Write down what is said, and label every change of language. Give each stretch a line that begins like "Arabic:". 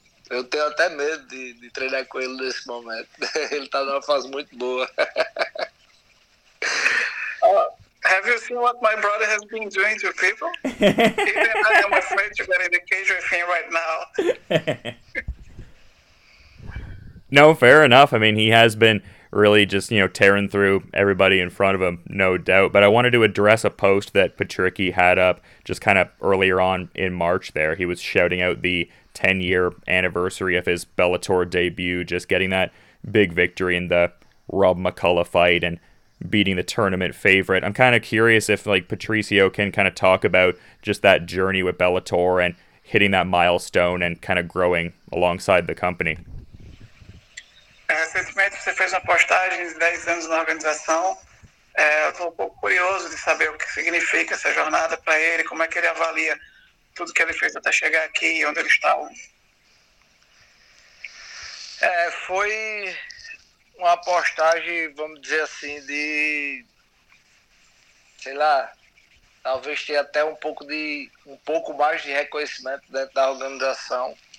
Portuguese: Eu tenho até medo de treinar com ele nesse momento. Ele tá numa fase muito boa.
English: Have you seen what my brother has been doing to people? I'm afraid to get in the cage with him right now. No, fair enough. I mean, he has been really just, you know, tearing through everybody in front of him, no doubt. But I wanted to address a post that Patricky had up just kind of earlier on in March there. He was shouting out the 10-year anniversary of his Bellator debut, just getting that big victory in the Rob McCullough fight and beating the tournament favorite. I'm kind of curious if, like, Patricio can kind of talk about just that journey with Bellator and hitting that milestone and kind of growing alongside the company.
Portuguese: Recentemente você fez uma postagem de 10 anos na organização. Eu estou um pouco curioso de saber o que significa essa jornada para ele, como é que ele avalia tudo que ele fez até chegar aqui e onde ele está. Foi uma postagem, vamos dizer assim, de, sei lá, talvez ter até um pouco mais de reconhecimento dentro da organização.